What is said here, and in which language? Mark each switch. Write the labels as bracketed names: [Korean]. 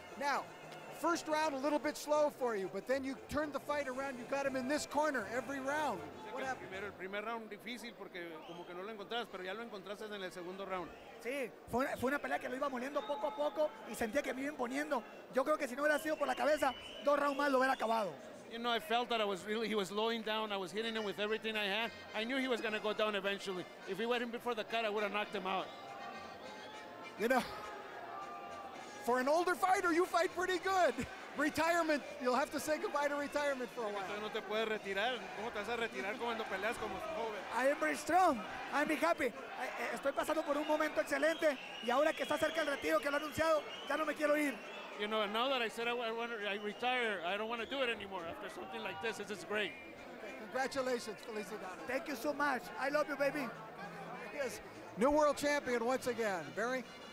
[English] Now, first round a little bit slow for you, but then you turned the fight around. You got him in this corner every round. What happened? [Spanish] El primer round difícil porque como que no lo encontrabas, pero ya lo encontraste en el segundo round. Sí, fue una pelea que lo iba moliendo poco a poco y sentía que me iba imponiendo. Yo creo que si no hubiera sido por la cabeza, dos rounds más lo hubiera acabado. [English] You know, I felt that I was really, he was slowing down. I was hitting him with everything I had. I knew he was going to go down eventually. If he went in before the cut, I would have knocked him out. You know, for an older fighter, you fight pretty good. Retirement, you'll have to say goodbye to retirement for a while. [Spanish] No te puedes retirar. ¿Cómo te vas a retirar cuando peleas como joven? [English] I am very strong. I'm happy. [Spanish] Estoy pasando por un momento excelente. Y ahora que está cerca el retiro que lo ha anunciado, ya no me quiero ir. [English] You know, now that I said I retire, I don't want to do it anymore. After something like this, this is great. Congratulations, Felicidades. Thank you so much. I love you, baby. Yes, new world champion once again. Barry?